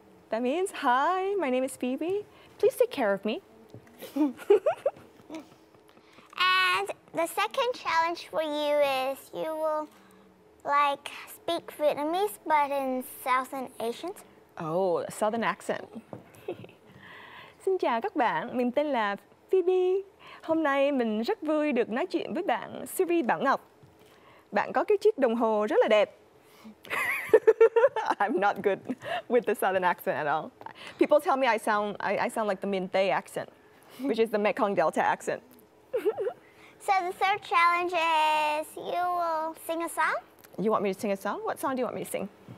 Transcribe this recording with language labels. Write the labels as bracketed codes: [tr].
[en] That means, hi, my name is Phoebe. Please take care of me. And the second challenge for you is you will speak Vietnamese, but in Southern Asian. Oh, a Southern accent. [vi] Xin chào các bạn, mình tên là Phoebe. Hôm nay mình rất vui được nói chuyện với bạn Siri Bảo Ngọc. Bạn có cái chiếc đồng hồ rất là đẹp. [en] I'm not good with the Southern accent at all. People tell me I sound like the Minh Tây accent, which is the Mekong Delta accent. So the third challenge is you will sing a song. You want me to sing a song? What song do you want me to sing?